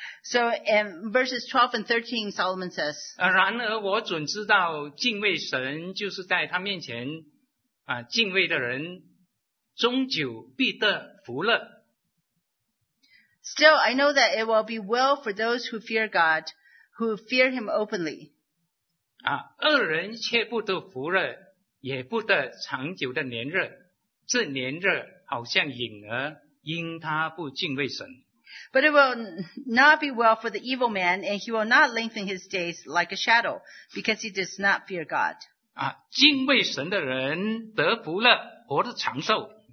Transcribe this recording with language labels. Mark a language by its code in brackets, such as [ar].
[en] So in verses 12 and 13, Solomon says, [zh] 然而我准知道敬畏神就是在他面前敬畏的人终究必得福乐。 [en] Still, I know that it will be well for those who fear God, who fear him openly. [zh] 恶人却不得福乐，也不得长久的年日，这年日好像影儿，因他不敬畏神。 [en] But it will not be well for the evil man, and he will not lengthen his days like a shadow, because he does not fear God. [zh] 啊，敬畏神的人得福乐，活得长寿。